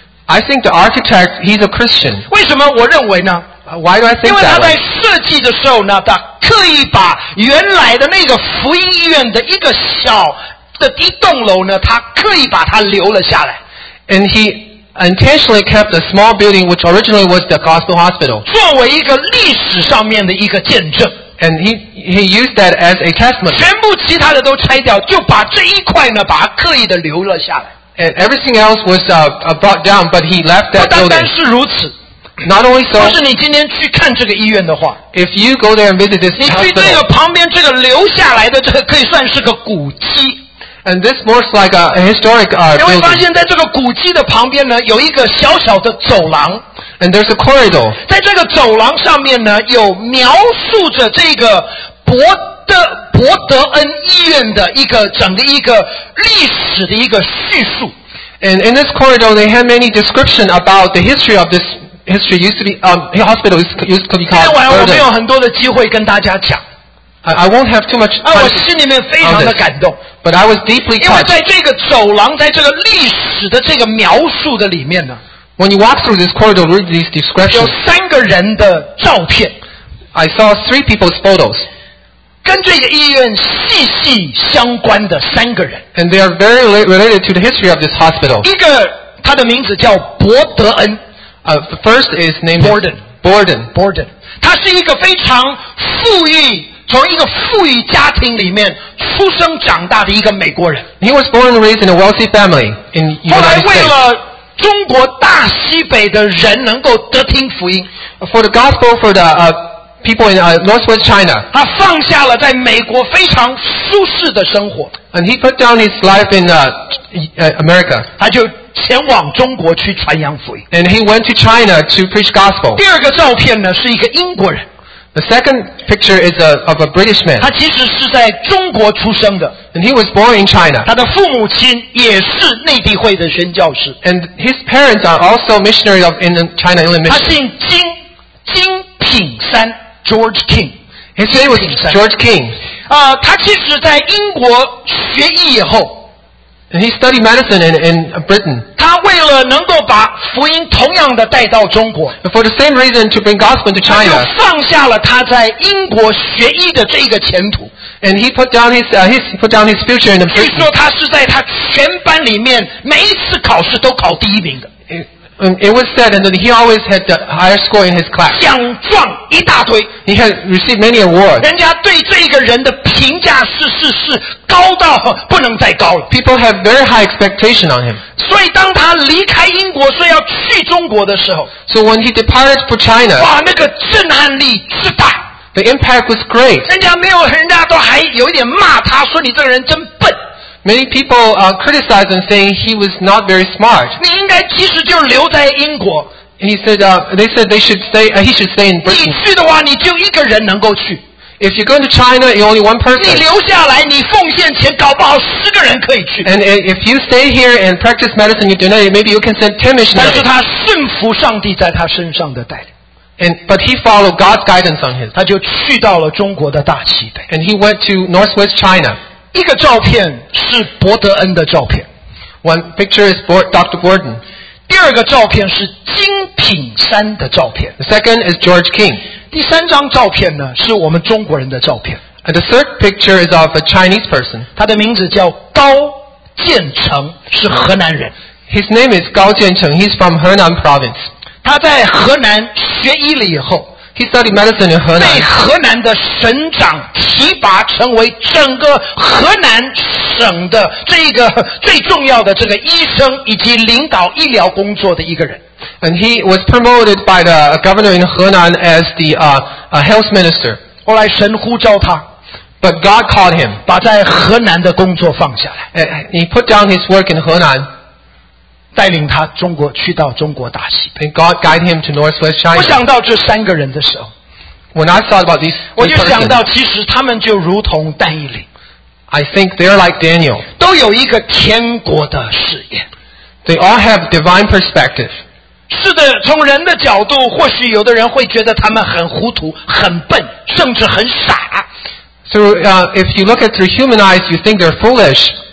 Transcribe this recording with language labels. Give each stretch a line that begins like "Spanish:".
English: I think the architect, he's a Christian.
Chinese: 为什么我认为呢
English: ？Why do I think that?
Chinese: 因为他在设计的时候呢，他刻意把原来的那个福音医院的一个小的一栋楼呢，他刻意把它留了下来。
English: And he intentionally kept a small building which originally was the Gospel Hospital.
Chinese: 作为一个历史上面的一个见证。
English: And he used that as a testament.
Chinese: 全部其他的都拆掉，就把这一块呢，把它刻意的留了下来。
English: And everything else was brought down, but he left that building.
Chinese: 不单单是如此。
English: Not only so.
Chinese: 若是你今天去看这个医院的话
English: ，If you go there and visit this hospital,
Chinese: 你去这个旁边这个留下来的这个可以算是个古迹。
English: And this more like a historic building.
Chinese: 你会发现在这个古迹的旁边呢，有一个小小的走廊。
English: And there's a corridor.
Chinese: 在这个走廊上面呢，有描述着这个伯德恩医院的一个整个一个历史的一个叙述。
English: And in this corridor, they have many description about the history of this history used to be hospital used to be called.
Chinese: 今天晚上我没有很多的机会跟大家讲。
English: I won't have too much time.
Chinese: 我心里面非常的感动。
English: But I was deeply touched.
Chinese: 因为在这个走廊，在这个历史的这个描述的里面呢。
English: When you walk through this corridor, read these descriptions.
Chinese: 有三个人的照片。
English: I saw three people's photos.
Chinese: 跟这个医院息息相关的三个人。
English: And they are very related to the history of this hospital.
Chinese: 一个，他的名字叫伯德恩。
English: The first is named Borden. Borden.
Chinese: Borden. 他是一个非常富裕。从一个富裕家庭里面出生长大的一个美国人。
English: He was born and raised in a wealthy family in the United States.
Chinese: 后来为了中国大西北的人能够得听福音
English: ，for the gospel for the people in northwest China.
Chinese: 他放下了在美国非常舒适的生活。
English: And he put down his life in America.
Chinese: 他就前往中国去传扬福音。
English: And he went to China to preach gospel.
Chinese: 第二个照片呢是一个英国人。
English: The second picture is of a British man.
Chinese: 他其实是在中国出生的。
English: And he was born in China.
Chinese: 他的父母亲也是内地会的宣教士。
English: And his parents are also missionaries of in China Inland Mission.
Chinese: 他姓金，金品山 ，George King.
English: His name was George King.
Chinese: 他其实在英国学医以后。
English: And he studied medicine in Britain.
Chinese: 他为了能够把福音同样的带到中国
English: ，for the same reason to bring gospel to China.
Chinese: 他就放下了他在英国学医的这个前途。
English: And he put down his future in the Britain.
Chinese: 据说他是在他全班里面每一次考试都考第一名的。
English: It was said that he always had the higher score in his class.
Chinese: 奖状一大堆。
English: He had received many awards.
Chinese: 人家对这个人的评价是高到不能再高了。
English: People have very high expectation on him.
Chinese: 所以当他离开英国，说要去中国的时候
English: ，So when he departed for China,
Chinese: 哇，那个震撼力之大。
English: The impact was great.
Chinese: 人家没有，人家都还有一点骂他，说你这个人真笨。
English: Many people criticized him, saying he was not very smart.
Chinese: 你应该其实就留在英国。
English: He said, they said they should stay. He should stay in Britain.
Chinese: 你去的话，你就一个人能够去。
English: If you go to China, you're only one person.
Chinese: 你留下来，你奉献钱，搞不好十个人可以去。
English: And if you stay here and practice medicine, you donate, maybe you can send 10 missionaries.
Chinese: 但是他顺服上帝在他身上的带领。
English: But he followed God's guidance on him.
Chinese: 他就去到了中国的大西北。
English: And he went to northwest China.
Chinese: 一个照片是伯德恩的照片
English: ，One picture is Dr. Borden。
Chinese: 第二个照片是金品山的照片
English: ，The second is George King。
Chinese: 第三张照片呢是我们中国人的照片
English: ，And the third picture is of a Chinese person。
Chinese: 他的名字叫高建成，是河南人。
English: His name is 高建成 ，He's from Henan Province。
Chinese: 他在河南学医了以后。
English: He studied medicine in Henan.
Chinese: 被河南的省长提拔成为整个河南省的这个最重要的这个医生以及领导医疗工作的一个人。
English: And he was promoted by the governor in Henan as the health minister.
Chinese: 后来神呼召他。
English: But God called him.
Chinese: 把在河南的工作放下来。
English: He put down his work in Henan.
Chinese: 带领他中国去到中国大西北。
English: And God guide him to Northwest China.
Chinese: 我想到这三个人的时候
English: ，When I thought about these,
Chinese: 我就想到其实他们就如同但以理
English: ，I think they're like Daniel.
Chinese: 都有一个天国的视野
English: ，They all have divine perspective.
Chinese: 是的，从人的角度，或许有的人会觉得他们很糊涂、很笨，甚至很傻。
English: So, if you look at through human eyes, you think they're foolish.